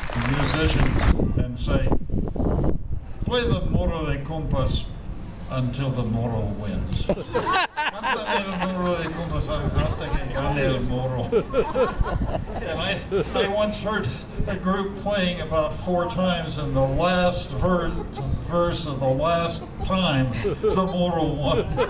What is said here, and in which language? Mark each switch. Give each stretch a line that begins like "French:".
English: musicians and say, play the Moro de Compas until the Moro wins.
Spanish: Cántame el Moro de Compas hasta que gane el Moro.
English: And I once heard a group playing about four times, and the last verse of the last time, the Moro won.